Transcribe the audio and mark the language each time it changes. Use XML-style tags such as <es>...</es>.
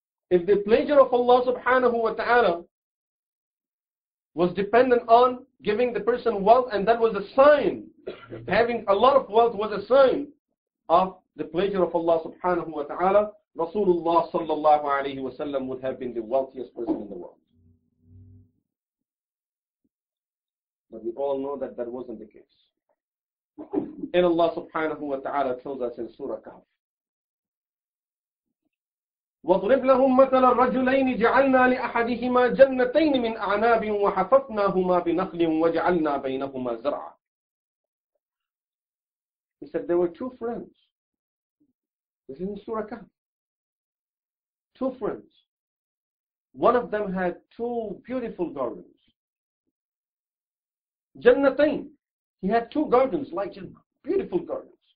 <en>If the pleasure of Allah subhanahu wa ta'ala was dependent on giving the person wealth, and that was a sign, having a lot of wealth was a sign of the pleasure of Allah subhanahu wa ta'ala, Rasulullah sallallahu alayhi wa sallam would have been the wealthiest person in the world. But we all know that that wasn't the case. And Allah subhanahu wa ta'ala tells us in Surah Kahf,</en> <ar>وَاضْرِبْ لَهُمْ مَثَلًا رَجُلَيْنِ جَعَلْنَا لِأَحَدِهِمَا جَنَّتَيْنِ مِنْ أَعْنَابٍ وَحَفَفْنَاهُمَا بِنَخْلٍ وَجَعَلْنَا بَيْنَهُمَا زَرْعًا.</ar> <en>He said there were two friends. This is in Surah Kahf. Two friends. One of them had two beautiful gardens.</en> <ar>جَنَّتَيْن.</ar> <en>He had two gardens, like just beautiful gardens.</en>